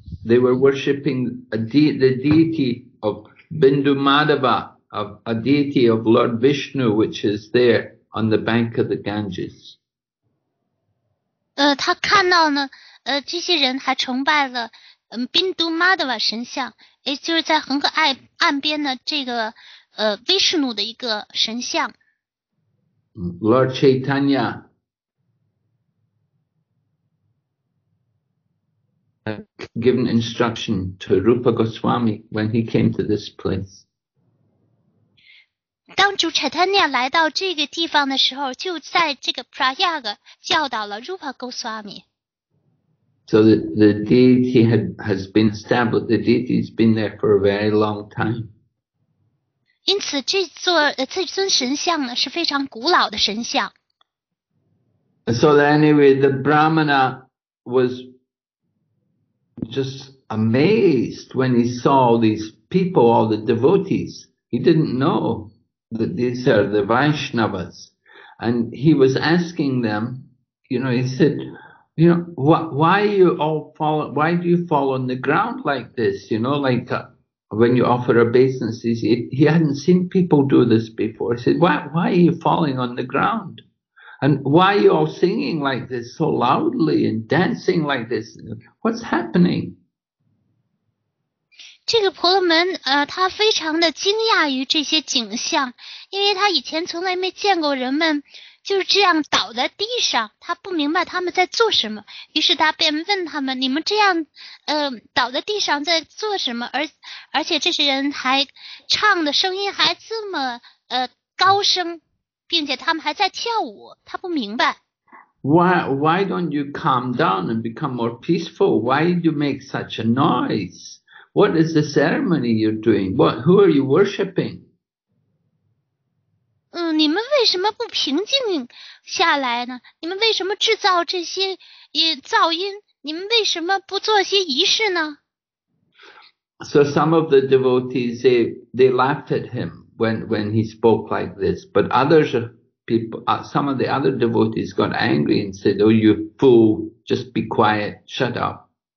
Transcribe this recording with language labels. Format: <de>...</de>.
<en>They were worshipping the deity of Bindu Madhava, a deity of Lord Vishnu, which is there on the bank of the Ganges.</en> <zh>他看到呢，这些人还崇拜了，宾都玛德瓦神像，也就是在恒河岸边的这个，威士努的一个神像。</zh> <en>Lord Chaitanya had given instruction to Rupa Goswami when he came to this place.</en> <zh>当主 Chaitanya 来到这个地方的时候，就在这个 Prayag 教导了 Rupa Goswami.</zh> <en>So the deity has been established. The deity has been there for a very long time.</en> <zh>因此，这尊神像呢是非常古老的神像。</zh> <en>So anyway, the Brahmana was just amazed when he saw these people, all the devotees. He didn't know that these are the Vaishnavas, and he was asking them. You know, he said, "You know, why do you fall on the ground like this? You know, like a,when you offer obeisances." He hadn't seen people do this before. He said, why are you falling on the ground? And why are you all singing like this so loudly and dancing like this? What's happening?</en> <zh>这个婆罗门他非常的惊讶于这些景象，因为他以前从来没见过人们就是这样倒在地上，他不明白他们在做什么，于是他便问他们，你们这样倒在地上在做什么，而且这些人还唱的声音还这么高声，并且他们还在跳舞，他不明白。</zh> <en>Why don't you calm down and become more peaceful? Why do you make such a noise? What is the ceremony you're doing? Who are you worshipping?</en> <zh>你们为什么不平静下来呢？你们为什么制造这些噪音？你们为什么不做些仪式呢？</zh> <en>So some of the devotees, they laughed at him when he spoke like this. But others, some of the other devotees got angry and said, "Oh, you fool, just be quiet, shut up."</en>